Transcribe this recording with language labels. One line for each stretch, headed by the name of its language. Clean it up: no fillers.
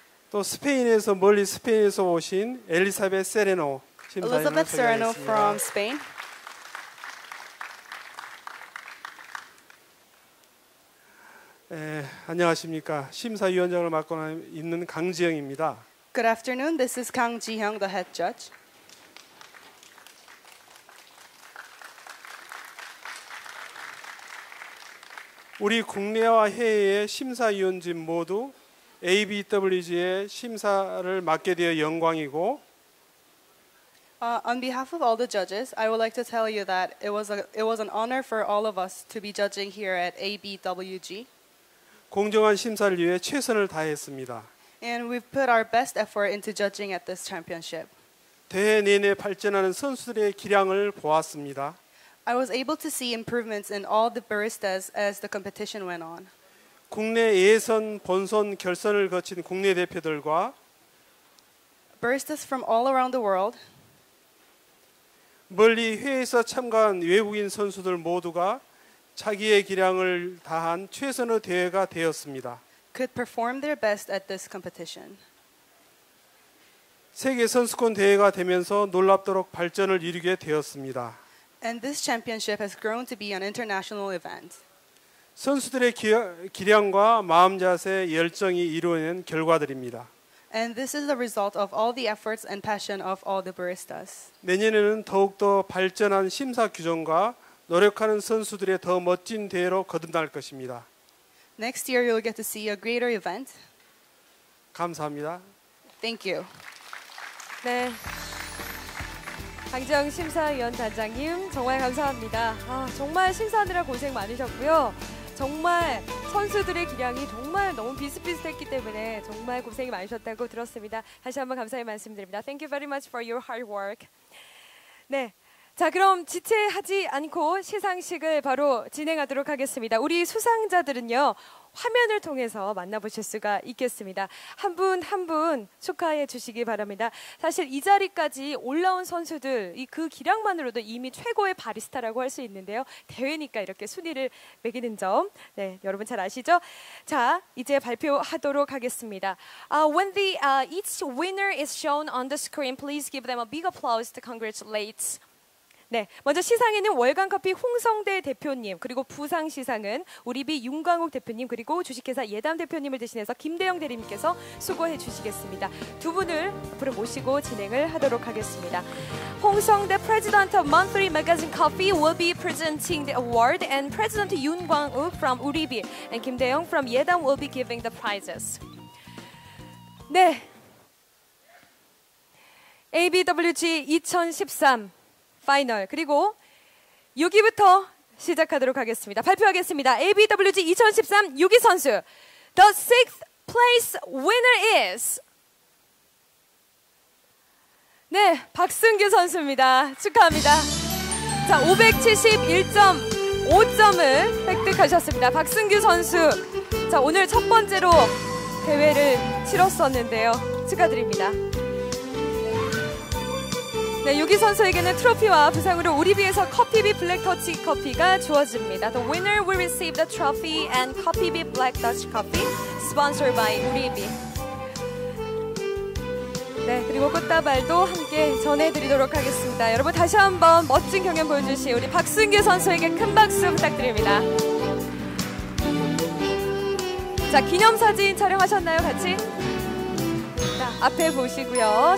Korean: 또 스페인에서 멀리 스페인에서 오신 엘리사벳 세레노 심사위원을 소개하겠습니다. 안녕하십니까. 심사위원장을 맡고 있는 강지형입니다.
English: Good afternoon. This is Kang Ji-hyung, the head judge.
Korean: 우리 국내와 해외의 심사위원진 모두 ABWG의 심사를 맡게 되어 영광이고
English: On behalf of all the judges, I would like to tell you that it was an honor for all of us to be judging here at ABWG.
Korean: 공정한 심사를 위해 최선을 다했습니다.
English: And we've put our best effort into judging at this championship.
Korean: 대회 내내 발전하는 선수들의 기량을 보았습니다.
English: I was able to see improvements in all the baristas as the competition went on.
Korean: 국내 예선, 본선, 결선을 거친 국내 대표들과
English: baristas from all around the world
Korean: 멀리 해외에서 참가한 외국인 선수들 모두가 자기의 기량을 다한 최선의 대회가 되었습니다.
English: could perform their best at this competition.
Korean: 세계 선수권 대회가 되면서 놀랍도록 발전을 이루게 되었습니다.
English: And this championship has grown to be an international event.
Korean: 선수들의 기량과 마음 자세, 열정이 이루어낸 결과들입니다.
English: And this is the result of all the efforts and passion of all the baristas.
Korean: 내년에는 더욱더 발전한 심사 규정과 노력하는 선수들의 더 멋진 대회로 거듭날 것입니다.
English: Next year you'll get to see a greater event.
Korean: 감사합니다.
English: Thank you.
Korean: 네. 강지영 심사위원 단장님 정말 감사합니다. 아, 정말 심사하느라 고생 많으셨고요. 정말 선수들의 기량이 정말 너무 비슷비슷했기 때문에 정말 고생이 많으셨다고 들었습니다. 다시 한번 감사의 말씀드립니다.
English: Thank you very much for your hard work.
Korean: 네, 자 그럼 지체하지 않고 시상식을 바로 진행하도록 하겠습니다. 우리 수상자들은요 화면을 통해서 만나보실 수가 있겠습니다. 한 분 한 분 축하해 주시기 바랍니다. 사실 이 자리까지 올라온 선수들 그 기량만으로도 이미 최고의 바리스타라고 할 수 있는데요. 대회니까 이렇게 순위를 매기는 점 네, 여러분 잘 아시죠? 자, 이제 발표하도록 하겠습니다.
English: When the each winner is shown on the screen, please give them a big applause to congratulate.
Korean: 네, 먼저 시상에는 월간커피 홍성대 대표님, 그리고 부상시상은 우리비 윤광욱 대표님, 그리고 주식회사 예담 대표님을 대신해서 김대영 대리님께서 수고해 주시겠습니다. 두 분을 앞으로 모시고 진행을 하도록 하겠습니다.
English: 홍성대 President of Monthly Magazine Coffee will be presenting the award and President 윤광욱 from 우리비 and 김대영 from 예담 will be giving the prizes.
Korean: 네, ABWG 2013 파이널 그리고 6위부터 시작하도록 하겠습니다. 발표하겠습니다. ABWG 2013 6위 선수
English: The 6th place winner is
Korean: 네, 박승규 선수입니다. 축하합니다. 자, 571.5점을 획득하셨습니다. 박승규 선수 자, 오늘 첫 번째로 대회를 치렀었는데요. 축하드립니다. 네, 유기 선수에게는 트로피와 부상으로 우리비에서 커피비 블랙 터치 커피가 주어집니다.
English: The winner will receive the trophy and coffee-bee black touch coffee sponsored by 우리비.
Korean: 네, 그리고 꽃다발도 함께 전해드리도록 하겠습니다. 여러분 다시 한번 멋진 경연 보여주신 우리 박승규 선수에게 큰 박수 부탁드립니다. 자, 기념사진 촬영하셨나요, 같이? 앞에 보시고요.